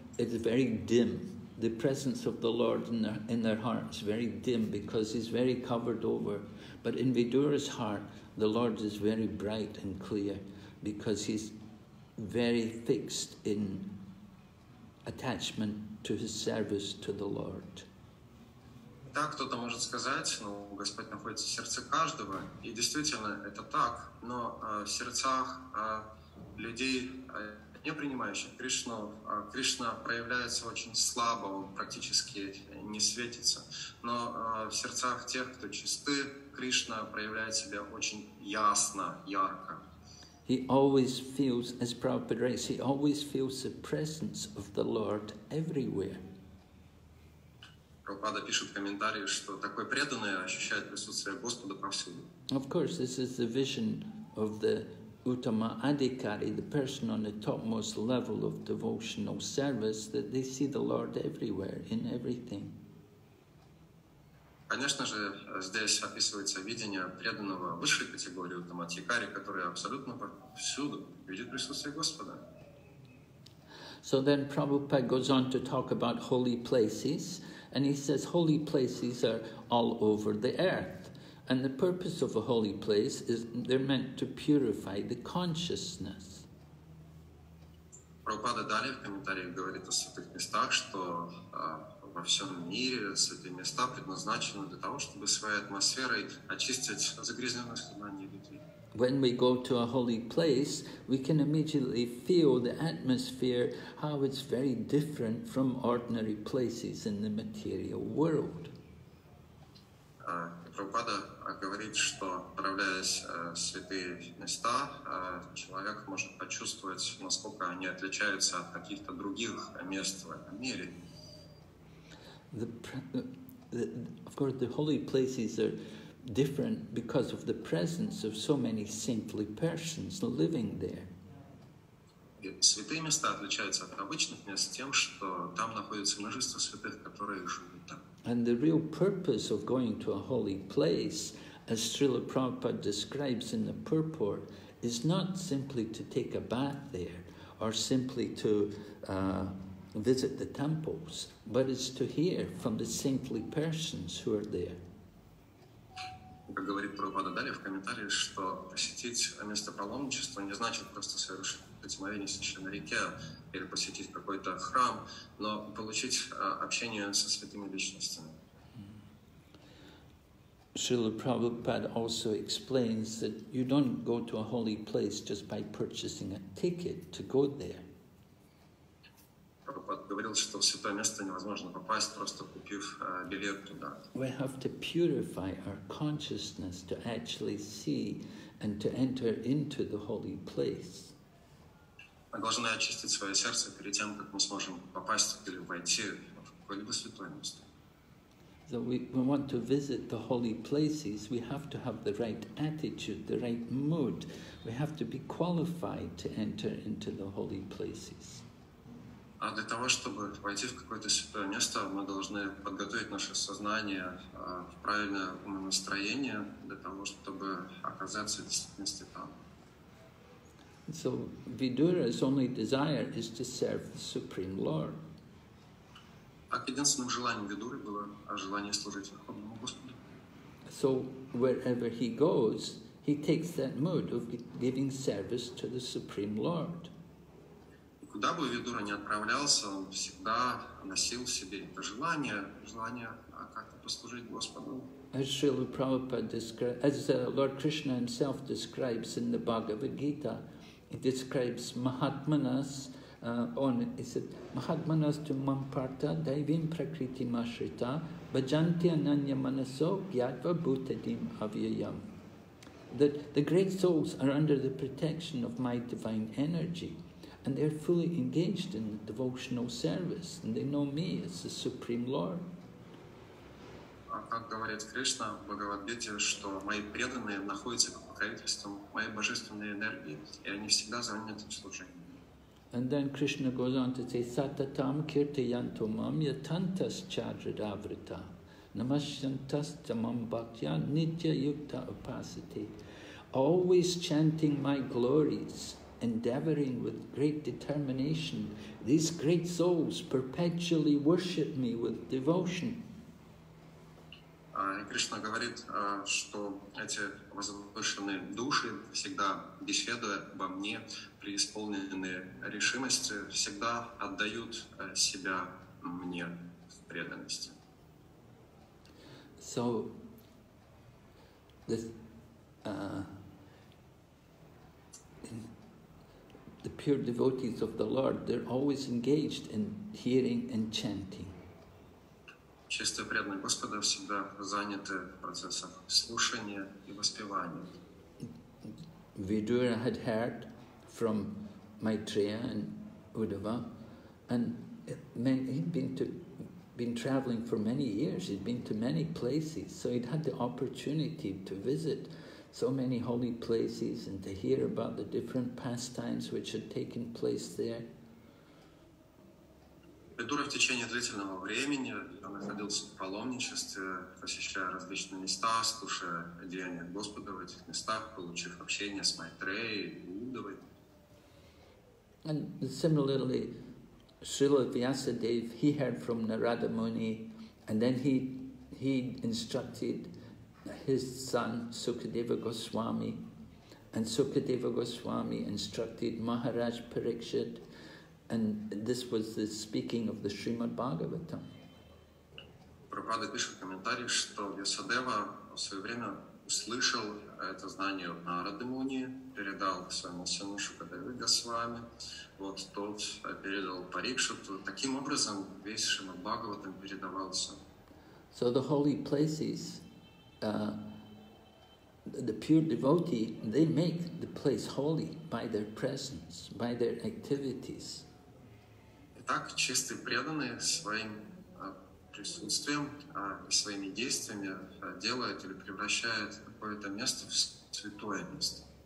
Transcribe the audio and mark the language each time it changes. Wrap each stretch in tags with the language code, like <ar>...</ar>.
<en>it's very dim. The presence of the Lord in their hearts very dim because he's very covered over. But in Vidura's heart, the Lord is very bright and clear because he's very fixed in attachment to his service to the Lord.</en> <ru>Так, кто-то может сказать, ну, Господь находится в сердце каждого, и действительно это так, но в сердцах людей, не принимающих Кришну, Кришна проявляется очень слабо, он практически не светится, но в сердцах тех, кто чисты, Кришна проявляет себя очень ясно, ярко.</ru> <en>He always feels, as Prabhupada writes, he always feels the presence of the Lord everywhere.</en> <ru>Прабхупада пишет комментарий, что такой преданный ощущает присутствие Господа повсюду.</ru> <en>Of course, this is the vision of the Uttama Adhikari, the person on the topmost level of devotional service, that they see the Lord everywhere, in everything.</en> <ru>Конечно же, здесь описывается видение преданного высшей категории Уттама Адхикари, который абсолютно повсюду видит присутствие Господа.</ru> <en>So then Prabhupada goes on to talk about holy places. And he says holy places are all over the earth. And the purpose of a holy place is they're meant to purify the consciousness.</en> <ru>Прабхупада далее в комментариях говорит о святых местах, что во всем мире святые места предназначены для того, чтобы своей атмосферой очистить загрязненность сознания людей.</ru> <en>When we go to a holy place, we can immediately feel the atmosphere, how it's very different from ordinary places in the material world.</en> <ru>Прабхупада говорит, что отправляясь в святые места, человек может почувствовать, насколько они отличаются от каких-то других мест в этом мире.</ru> <en>Of course, the holy places are different because of the presence of so many saintly persons living there.</en> <ru>Святые места отличаются от обычных мест тем, что там находится множество святых, которые живут там.</ru> <en>And the real purpose of going to a holy place, as Srila Prabhupada describes in the purport, is not simply to take a bath there or simply to visit the temples, but it's to hear from the saintly persons who are there.</en> <ru>Как говорит Прабхупада далее в комментариях, что посетить место паломничества не значит просто совершить омовение в священной реке или посетить какой-то храм, но получить общение со святыми личностями.</ru> <en>Srila Prabhupada also explains that you don't go to a holy place just by purchasing a ticket to go there.</en> <ru>Говорил, что в святое место невозможно попасть, просто купив билет туда.</ru> <en>We have to purify our consciousness to actually see and to enter into the holy place.</en> <ru>Мы должны очистить свое сердце перед тем, как мы сможем попасть или войти в какое-либо святое место.</ru> <en>So we want to visit the holy places, we have to have the right attitude, the right mood. We have to be qualified to enter into the holy places.</en> <ru>А для того, чтобы войти в какое-то святое место, мы должны подготовить наше сознание в правильное умонастроение для того, чтобы оказаться в действительности там.</ru> <en>So Vidura's only desire is to serve the Supreme Lord.</en> <ru>Так единственным желанием Видуры было желание служить Верховному Господу.</ru> <en>So wherever he goes, he takes that mood of giving service to the Supreme Lord.</en> <ru>Куда бы Видура ни отправлялся, он всегда носил в себе это желание как-то послужить Господу.</ru> <en>As Srila Prabhupada describes, as Lord Krishna himself describes in the Bhagavad Gita, he describes Mahatmanas, he said,</en> <sa>Mahatmanas to Mamparta, Daivim Prakriti Mashrita, Bhajanti Ananya Manaso, Gyatva Bhutadim Avyayam.</sa> <en>That the great souls are under the protection of my divine energy. And they're fully engaged in the devotional service, and they know me as the Supreme Lord.</en> <ru>Как говорит Кришна в Бхагавад-гите, что мои преданные находятся под покровительством моей божественной энергии, и они всегда заняты служением.</ru> <en>And then Krishna goes on to say,</en> <sa>Sattatam kirtayanto mam yatantas chadradavrita, namashyantas tamam bhaktya nitya yukta upasati,</sa> <en>always chanting my glories, endeavoring with great determination, these great souls perpetually worship me with devotion.</en> <ru>Кришна говорит, что эти возвышенные души, всегда беседуя обо мне, преисполненные решимости, всегда отдают себя мне в преданности.</ru> <en>So, the pure devotees of the Lord, they're always engaged in hearing and chanting.</en> <ru>Чистые преданные Господа всегда заняты процессом слушания и воспевания.</ru> <en>Vidura had heard from Maitreya and Uddhava, and he'd been traveling for many years. He'd been to many places, so he'd had the opportunity to visit so many holy places and to hear about the different pastimes which had taken place there.</en> <ru>Ведура в течение длительного времени находился в паломничестве, посещая различные места, слушая деяния Господа в этих местах, получив общение с Майтреей и Уддхавой.</ru> <en>And similarly, Srila Vyasadeva, he heard from Narada Muni, and then he instructed his son Sukadeva Goswami, and Sukadeva Goswami instructed Maharaj Parikshit. And this was the speaking of the Srimad Bhagavatam.</en> <ru>Prabhupada пишет комментарий, что Vyasadeva в свое время услышал это знание от Нарады Муни, передал своему сыну Шукадеве Госвами, вот тот передал Парикшиту. Таким образом, весь Шримад Бхагаватам передавался.</ru> <en>So the holy places, the pure devotee, they make the place holy by their presence, by their activities.</en> <ru>Так чистые преданные своим присутствием и своими действиями делают или превращают какое-то место в святое место.</ru>